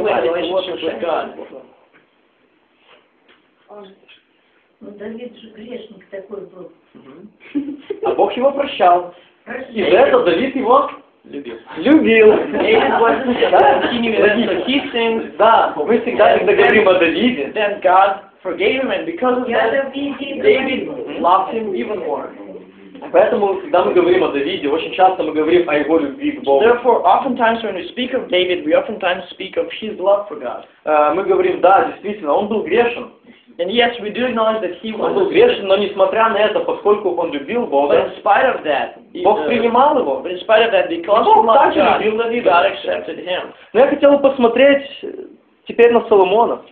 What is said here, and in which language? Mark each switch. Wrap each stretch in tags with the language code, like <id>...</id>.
<en>Specifically in relationship with God.</en> <ru>Давид же грешник такой был. А Бог его прощал. И за это Давид его любил. Любил. Да, мы всегда когда говорим о Давиде.</ru> <en>Then God forgave him, and because of that, David loved him even more.</en> <ru>Поэтому, когда мы говорим о Давиде, очень часто мы говорим о его любви к Богу.</ru> <en>Therefore, oftentimes when we speak of David, we oftentimes speak of his love for God.</en> <ru>Мы говорим, да, действительно, он был грешен.</ru> <en>And yes, we do acknowledge that he was.</en> <ru>Он был грешен, но несмотря на это, поскольку он любил Бога.</ru> <en>But in spite of that,</en> <ru>Бог принимал его.</ru> <en>But in spite of that, because he loved God, God accepted him.</en> <ru>Но я хотел бы посмотреть теперь на Соломона.</ru>